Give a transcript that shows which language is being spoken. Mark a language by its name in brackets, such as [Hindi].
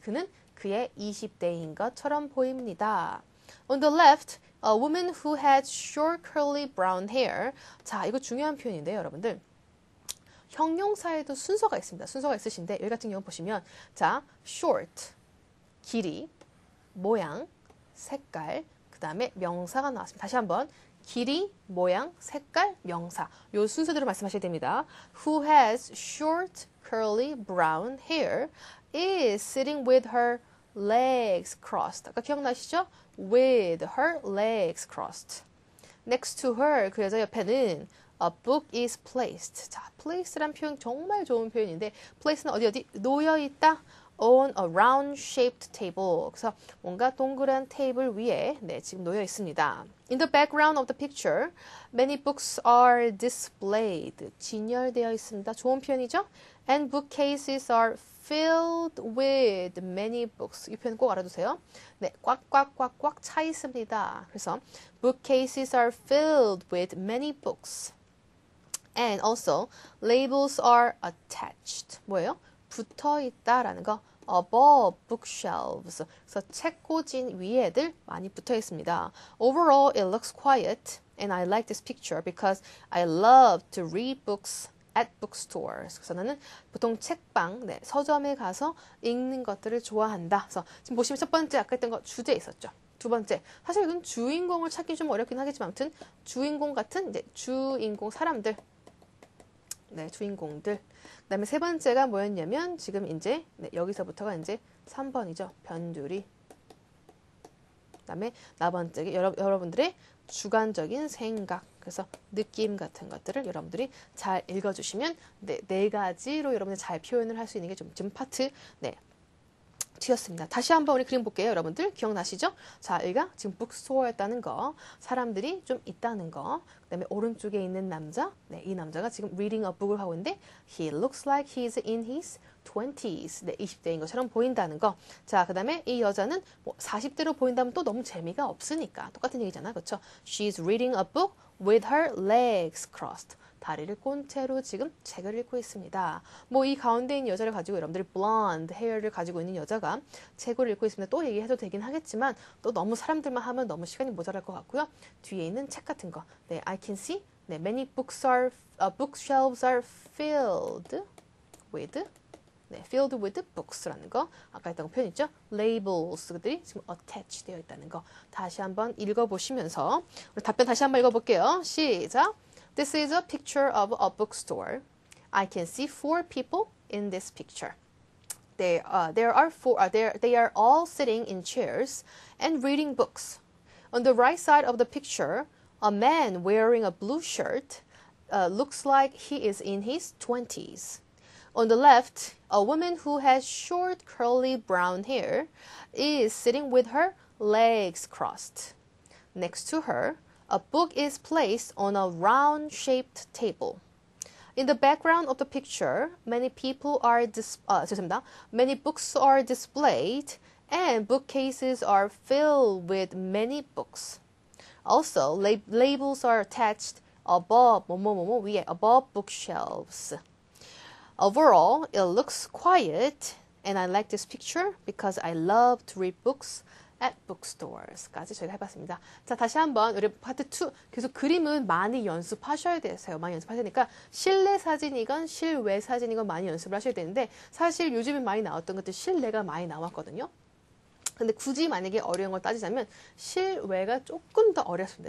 [Korean] 그는 그의 20대인 것처럼 보입니다. [English] On the left, a woman who had short curly brown hair. [Korean] 자, 이거 중요한 표현인데요, 여러분들. 형용사에도 순서가 있습니다. 순서가 있으신데 여기 같은 경우 보시면 자, short 길이, 모양, 색깔, 그다음에 명사가 나왔습니다. 다시 한번. 길이, 모양, 색깔, 명사. 요 순서대로 말씀하셔야 됩니다. [English] Who has short curly brown hair is sitting with her legs crossed. [Korean] 아까 기억나시죠? [English] With her legs crossed. Next to her, [Korean] 그 여자 옆에는 [English] a book is placed. [Korean] 자, place란 표현 정말 좋은 표현인데, place는 어디? 놓여 있다. [English] On a round shaped table. [Korean] 그래서 뭔가 동그란 테이블 위에 네, 지금 놓여 있습니다. [English] In the background of the picture, many books are displayed. [Korean] 진열되어 있습니다. 좋은 표현이죠? [English] And bookcases are filled with many books. [Korean] 이 표현 꼭 알아두세요. 네, 꽉꽉꽉꽉 차 있습니다. [English] 그래서 bookcases are filled with many books. And also, labels are attached. [Korean] 뭐예요? 붙어 있다라는 거. [English] Above bookshelves. [Korean] 그래서 책꽂이 위에들 많이 붙어 있습니다. [English] Overall, it looks quiet and I like this picture because I love to read books at bookstores. [Korean] 그래서 나는 보통 책방, 네, 서점에 가서 읽는 것들을 좋아한다. 그래서 지금 보시면 첫 번째, 아까 했던 거 주제 있었죠. 두 번째. 사실 이건 주인공을 찾기 좀 어렵긴 하겠지만, 아무튼 주인공 같은 이제 주인공 사람들. 네, 주인공들. 그다음에 세 번째가 뭐였냐면 지금 이제 네, 여기서부터가 이제 3번이죠. 변두리. 그다음에 4번째 여러분들의 주관적인 생각. 그래서 느낌 같은 것들을 여러분들이 잘 읽어주시면 네, 네 가지로 여러분들 잘 표현을 할수 있는 게좀 지금 파트 네. 튀었습니다. 다시 한번 우리 그림 볼게요, 여러분들. 기억나시죠? 자, 여기가 지금 북스토어였다는 거, 사람들이 좀 있다는 거. 그다음에 오른쪽에 있는 남자, 네, 이 남자가 지금 [English] reading a book [Korean] 을 하고 있는데, [English] he looks like he's in his 20s, [Korean] 네, 20대인 것처럼 보인다는 거. 자, 그다음에 이 여자는 뭐 40대로 보인다면 또 너무 재미가 없으니까 똑같은 얘기잖아, 그렇죠? [English] She's reading a book with her legs crossed. [Korean] 다리를 꼰 채로 지금 책을 읽고 있습니다. 뭐이 가운데 있는 여자를 가지고 여러분들이 blonde hair를 가지고 있는 여자가 책을 읽고 있습니다. 또 얘기해도 되긴 하겠지만 또 너무 사람들만 하면 너무 시간이 모자랄 것 같고요. 뒤에 있는 책 같은 거. 네, [English] I can see. 네, many books are bookshelves are filled with. [Korean] 네, [English] filled with books [Korean] 라는 거. 아까 했던 거 표현 있죠? Labels. 그들이 지금 attach 되어 있다는 거. 다시 한번 읽어보시면서. 답변 다시 한번 읽어볼게요. 시작. [English] This is a picture of a bookstore. I can see four people in this picture. They are all sitting in chairs and reading books. On the right side of the picture, a man wearing a blue shirt, looks like he is in his 20s. On the left, a woman who has short curly brown hair is sitting with her legs crossed. Next to her, a book is placed on a round-shaped table. In the background of the picture, many books are displayed and bookcases are filled with many books. Also, labels are attached above [Korean] 뭐뭐뭐뭐 위에 [English] above bookshelves. Overall, it looks quiet, and I like this picture because I love to read books at bookstores [Korean] 까지 저희가 해봤습니다. 자, 다시 한번 우리 파트 2 계속 그림은 많이 연습하셔야 되세요. 많이 연습하셔야 되니까 실내 사진이건 실외 사진이건 많이 연습을 하셔야 되는데 사실 요즘에 많이 나왔던 것들 실내가 많이 나왔거든요. 근데 굳이 만약에 어려운 걸 따지자면 실외가 조금 더 어렵습니다.